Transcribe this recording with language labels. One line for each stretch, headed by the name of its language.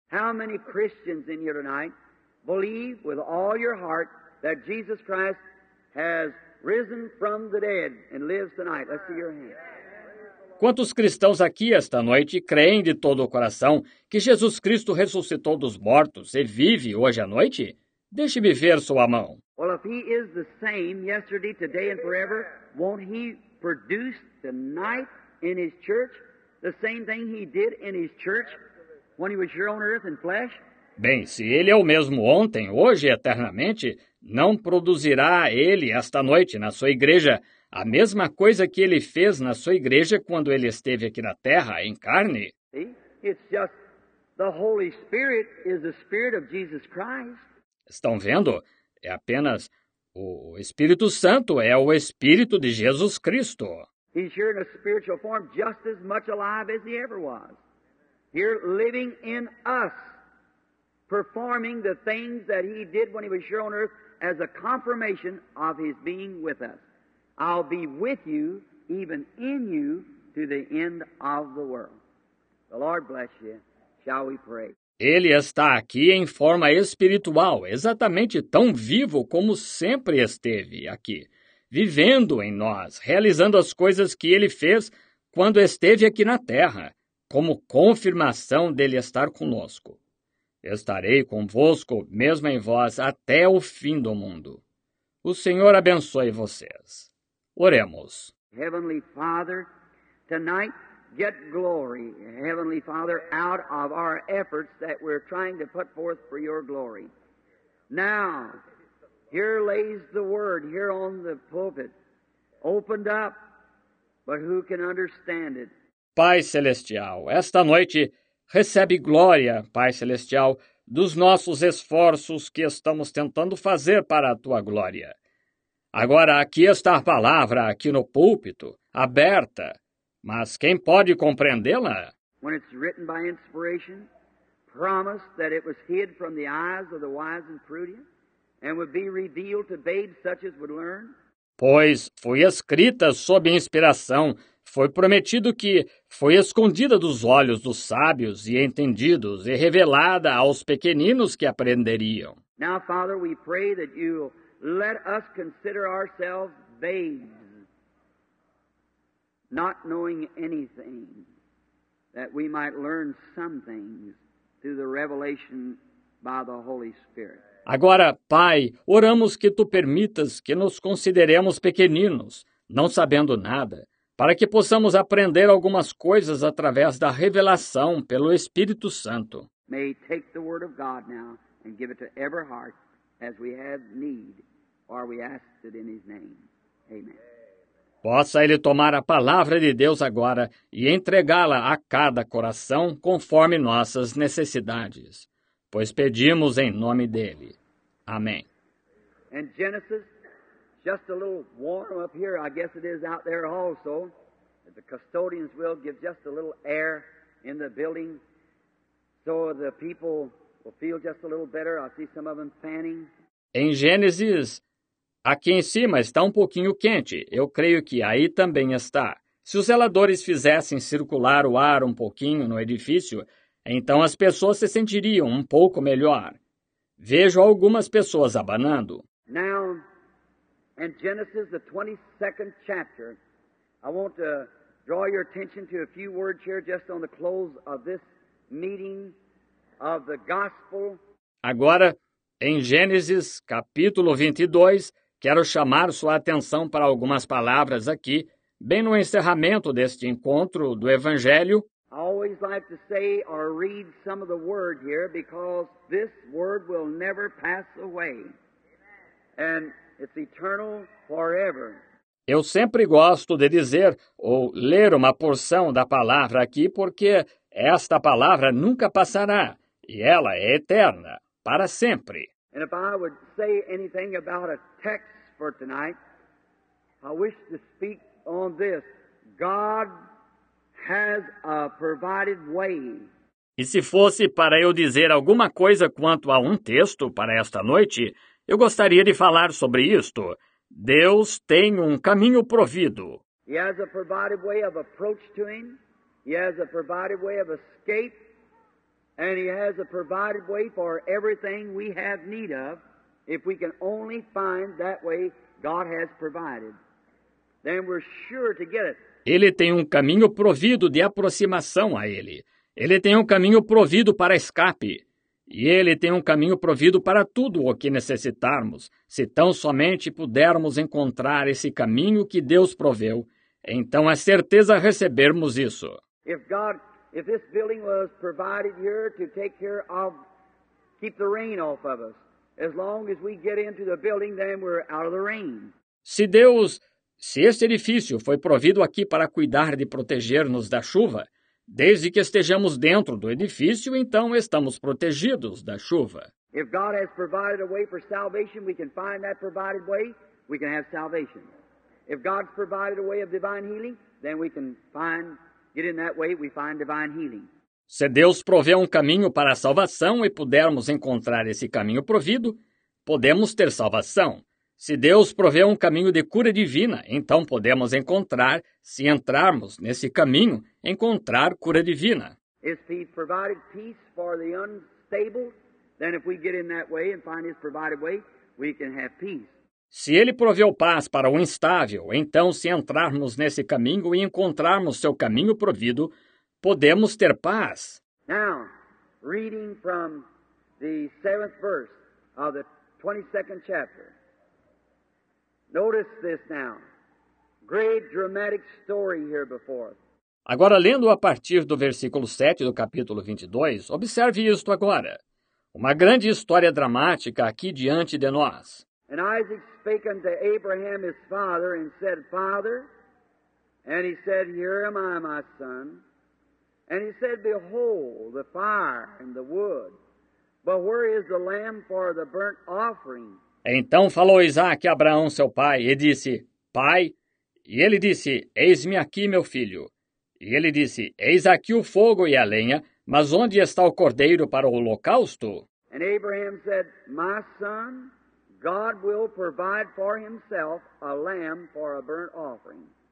English: How many Christians in here tonight believe with all your heart that Jesus Christ has risen from the dead and lives tonight. Let's see your hand.
Portuguese: Quantos cristãos aqui esta noite creem de todo o coração que Jesus Cristo ressuscitou dos mortos e vive hoje à noite? Deixe-me ver sua mão.
English: Well, if he is the same yesterday, today and forever, won't he produce tonight in his church the same thing he did in his church when he was here on earth in flesh?
Portuguese: Bem, se ele é o mesmo ontem, hoje e eternamente, não produzirá ele esta noite na sua igreja a mesma coisa que ele fez na sua igreja quando ele esteve aqui na terra em carne?
English: It's just the Holy Spirit is the Spirit of Jesus Christ.
Portuguese: Estão vendo? É apenas o Espírito Santo é o Espírito de Jesus Cristo.
English: He's here in a spiritual form just as much alive as he ever was. Here living in us, performing the things that he did when he was here on earth as a confirmation of his being with us. I'll be with you, even in you, to the end of the world. The Lord bless you. Shall we pray?
Portuguese: Ele está aqui em forma espiritual, exatamente tão vivo como sempre esteve aqui, vivendo em nós, realizando as coisas que ele fez quando esteve aqui na terra, como confirmação dele estar conosco. Estarei convosco, mesmo em vós, até o fim do mundo. O Senhor abençoe vocês. Oremos.
English: Heavenly Father, tonight get glory, Heavenly Father, out of our efforts that we're trying to put forth for your glory. Now, here lays the word, here on the pulpit, opened up, but who can understand it?
Portuguese: Pai Celestial, esta noite recebe glória, Pai Celestial, dos nossos esforços que estamos tentando fazer para a tua glória. Agora, aqui está a palavra, aqui no púlpito, aberta. Mas quem pode compreendê-la?
English: When it's written by inspiration, promised that it was hid from the eyes of the wise and prudent, and would be revealed to babes such as would learn?
Portuguese: Pois foi escrita sob inspiração, foi prometido que foi escondida dos olhos dos sábios e entendidos e revelada aos pequeninos que aprenderiam.
English: Now, Father, we pray that you let us consider ourselves babes, not knowing anything, that we might learn some things through the revelation by the Holy Spirit.
Portuguese: Agora, Pai, oramos que tu permitas que nos consideremos pequeninos, não sabendo nada, para que possamos aprender algumas coisas através da revelação pelo Espírito Santo.
English: May take the word of God now and give it to every heart as we have need. Or we ask it in his name. Amen.
Portuguese: Possa ele tomar a palavra de Deus agora e entregá-la a cada coração conforme nossas necessidades, pois pedimos em nome dele. Amém.
English: And Genesis, just a little warm up here, I guess it is out there also. The custodians will give just a little air in the building so the people will feel just a little better. I see some of them fanning.
Portuguese: Em Gênesis, aqui em cima está um pouquinho quente. Eu creio que aí também está. Se os zeladores fizessem circular o ar um pouquinho no edifício, então as pessoas se sentiriam um pouco melhor. Vejo algumas pessoas abanando.
English: Now, in Genesis, the 22nd chapter, I want to draw your attention to a few words here just on the close of this meeting of the gospel.
Portuguese: Agora, em Gênesis, capítulo 22, quero chamar sua atenção para algumas palavras aqui, bem no encerramento deste encontro do Evangelho.
English: I always like to say or read some of the word here because this word will never pass away. And it's eternal forever.
Portuguese: Eu sempre gosto de dizer ou ler uma porção da palavra aqui porque esta palavra nunca passará e ela é eterna, para sempre.
English: And if I would say anything about a text for tonight, I wish to speak on this. God has a provided way.
Portuguese: E se fosse para eu dizer alguma coisa quanto a um texto para esta noite, eu gostaria de falar sobre isto. Deus tem um caminho provido.
English: He has a provided way of approach to him. He has a provided way of escape. And he has a provided way for everything we have need of. If we can only find that way God has provided, then we're sure to get it.
Portuguese: Ele tem um caminho provido de aproximação a Ele. Ele tem um caminho provido para escape. E Ele tem um caminho provido para tudo o que necessitarmos. Se tão somente pudermos encontrar esse caminho que Deus proveu, então é certeza recebermos isso.
English: If this building was provided here to take care of, keep the rain off of us, as long as we get into the building, then we're out of the rain.
Portuguese: Se este edifício foi provido aqui para cuidar de proteger-nos da chuva, desde que estejamos dentro do edifício, então estamos protegidos da chuva.
English: If God has provided a way for salvation, we can find that provided way, we can have salvation. If God's provided a way of divine healing, then we can find get in that way, we find divine healing.
Portuguese: Se Deus provê um caminho para a salvação e pudermos encontrar esse caminho provido, podemos ter salvação. Se Deus provê um caminho de cura divina, então podemos encontrar, se entrarmos nesse caminho, encontrar cura divina.
English: If he provided peace for the unstable, then if we get in that way and find his provided way, we can have peace.
Portuguese: Se Ele proveu paz para o instável, então se entrarmos nesse caminho e encontrarmos seu caminho provido, podemos ter paz.
English: Now, reading from the 7th verse of the 22nd chapter. Notice this now. Great dramatic story here before.
Portuguese: Agora, lendo a partir do versículo 7 do capítulo 22, observe isto agora. Uma grande história dramática aqui diante de nós.
English: And Isaac spake unto Abraham his father, and said, Father. And he said, Here am I, my son. And he said, Behold, the fire and the wood. But where is the lamb for the burnt offering?
Portuguese: Então falou Isaac a Abraão, seu pai, e disse, Pai. E ele disse, Eis-me aqui, meu filho. E ele disse, Eis aqui o fogo e a lenha, mas onde está o cordeiro para o holocausto?
English: And Abraham said, My son, God will provide for himself a lamb for a burnt offering.